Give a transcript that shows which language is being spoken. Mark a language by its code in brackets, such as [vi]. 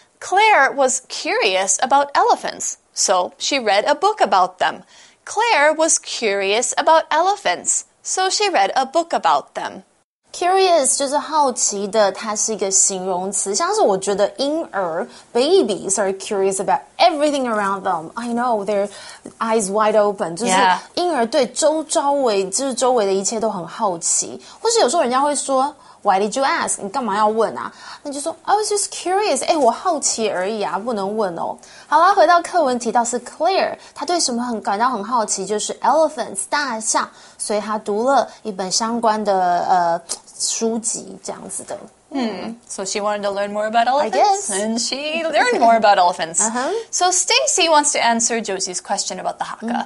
[en] Claire was curious about elephants, so she read a book about them. Claire was curious about elephants, so she read a book about them. [zh] Curious 就是好奇的，它是一个形容词。像是我觉得婴儿 [en] babies are curious about everything around them. I know their eyes wide open. [zh] 就是婴儿对周围就是周围的一切都很好奇。或是有时候人家会说 [en] Why did you ask? [zh] 你干嘛要问啊？那就说 [en] I was just curious. [zh] 哎，我好奇而已啊，不能问哦。好啦，回到课文提到是 Claire， 她对什么很感到很好奇，就是 elephants 大象。所以她读了一本相关的书籍这样子的。 [en] So she wanted to learn more about elephants? I guess. And she learned more about elephants. Uh-huh. So Stacy wants to answer Josie's question about the Hakka.